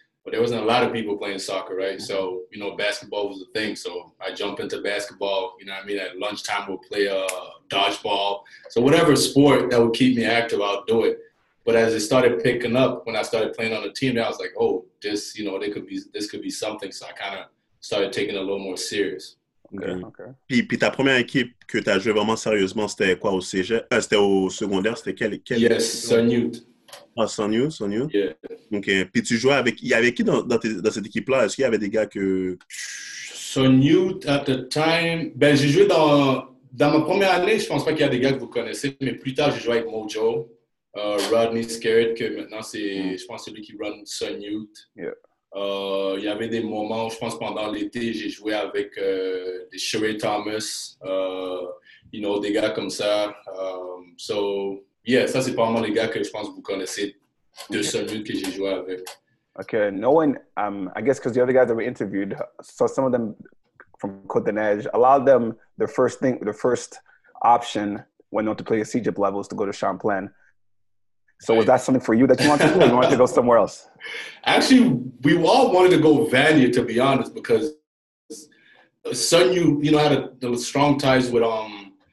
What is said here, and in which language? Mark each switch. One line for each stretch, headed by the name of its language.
English: But there wasn't a lot of people playing soccer, right? So, you know, basketball was a thing. So I jumped into basketball, you know what I mean? At lunchtime, we'll play dodgeball. So whatever sport that would keep me active, I'll do it. But as it started picking up, when I started playing on the team, I was like, oh, this could be something. So I kind of started taking it a little more serious. Okay.
French: Puis ta première équipe que tu as joué vraiment sérieusement, c'était quoi, au cégep? C'était au secondaire, c'était quel?
English: Yes, Saint-Newt.
French: Ah, Saint-Newt, Saint-Newt?
English: Yeah. OK.
French: Puis tu jouais avec, il y avait qui dans cette équipe-là? Est-ce qu'il y avait des gars que...
English: Saint-Newt, at the time...
French: Ben, j'ai joué dans ma première année, je pense pas qu'il y a des gars que vous connaissez, mais plus tard, j'ai joué avec Mojo. Rodney Scared, que maintenant c'est, je pense, celui qui run Sun Youth.
English: Yeah.
French: Il y avait des moments où, je pense, pendant l'été, j'ai joué avec Sheree Thomas,
English: you know,
French: des gars comme ça.
English: So, yeah,
French: ça c'est probablement les gars que je pense vous connaissez de Sun Youth que j'ai joué avec.
English: Okay, no one, I guess because the other guys that were interviewed, so some of them from Côte d'Neige, a lot of them, their first option when they want to play a CJIP level is to go to Champlain. So was that something for you that you wanted to do, or you wanted to go somewhere else? Actually, we all wanted to go Vanier, to be honest, because Sun Youth, you know, had a strong ties with Vanier.